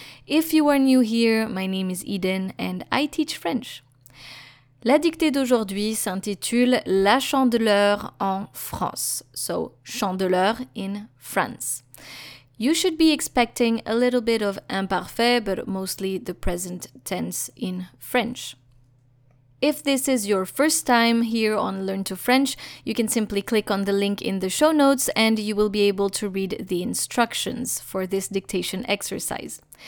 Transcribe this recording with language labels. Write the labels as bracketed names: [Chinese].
[English] If you are new here, my name is Eden and I teach French. [French] La dictée d'aujourd'hui s'intitule La Chandeleur en France. [English] So, Chandeleur in France. You should be expecting a little bit of imparfait, but mostly the present tense in French. If this is your first time here on Learn to French, you can simply click on the link in the show notes and you will be able to read the instructions for this dictation exercise.